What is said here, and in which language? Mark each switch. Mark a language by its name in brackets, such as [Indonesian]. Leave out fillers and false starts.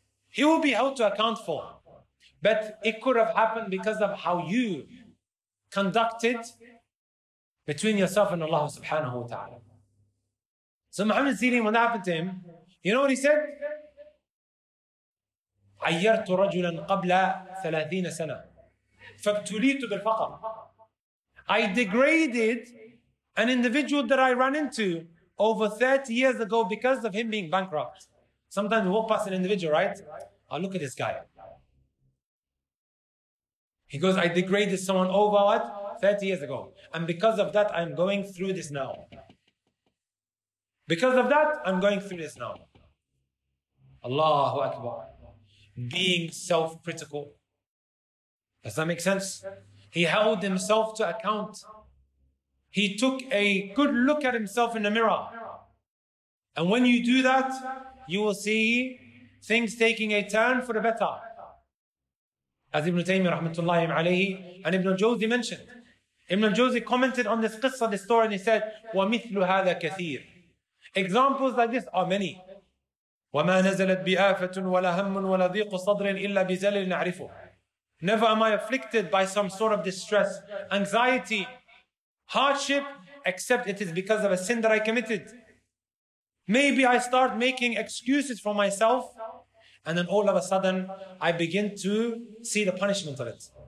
[English] He will be held to account for. But it could have happened because of how you conducted between yourself and Allah subhanahu wa ta'ala. So Muhammad Sirin, when that happened to him, you know what he said? [Arabic] عيرت رجلا قبل 30 سنة فابتليت بالفقر. [English] I degraded an individual that I ran into over 30 years ago because of him being bankrupt. Sometimes we walk past an individual, right? I'll look at this guy. He goes, I degraded someone over what? 30 years ago. And because of that, I'm going through this now. Because of that, I'm going through this now. Allahu Akbar. Being self-critical. Does that make sense? He held himself to account. He took a good look at himself in the mirror. And when you do that, you will see things taking a turn for the better. As Ibn Taymiyyah [Arabic] rahmatullahi alayhi [English] and Ibn Jawzi mentioned, Ibn Jawzi commented on this qissa, this story, and he said, [Arabic] وَمِثْلُ هَذَا كَثِيرٌ. [English] Examples like this are many. [Arabic] وما نزلت بآفة ولا هم ولا ضيق صدر إلا بزلل نعرفه. [English] Never am I afflicted by some sort of distress, anxiety, hardship, except it is because of a sin that I committed. Maybe I start making excuses for myself, and then all of a sudden, I begin to see the punishment of it.